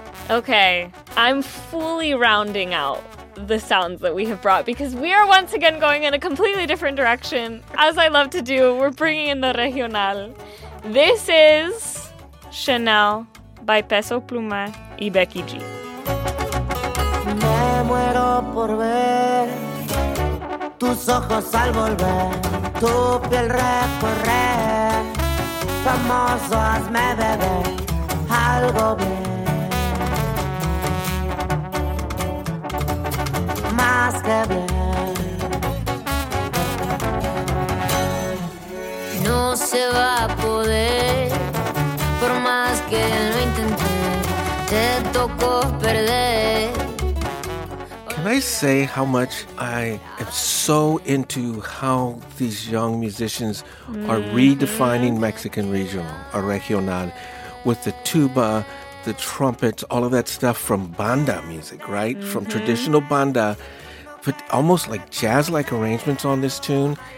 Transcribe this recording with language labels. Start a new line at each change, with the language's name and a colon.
English: Okay, I'm fully rounding out the sounds that we have brought because we are once again going in a completely different direction. As I love to do, we're bringing in the regional. This is Chanel by Peso Pluma y Becky G.
Spanish: Me muero por ver tus ojos al volver, tu piel recorrer, famoso hazme beber algo bien. Más que bien. No se va a poder, por más que lo intenté, te tocó perder.
English: Can I say how much I am so into how these young musicians are redefining Mexican regional or regional with the tuba, the trumpets, all of that stuff from banda music, right? Mm-hmm. From traditional banda, but almost like jazz-like arrangements on this tune.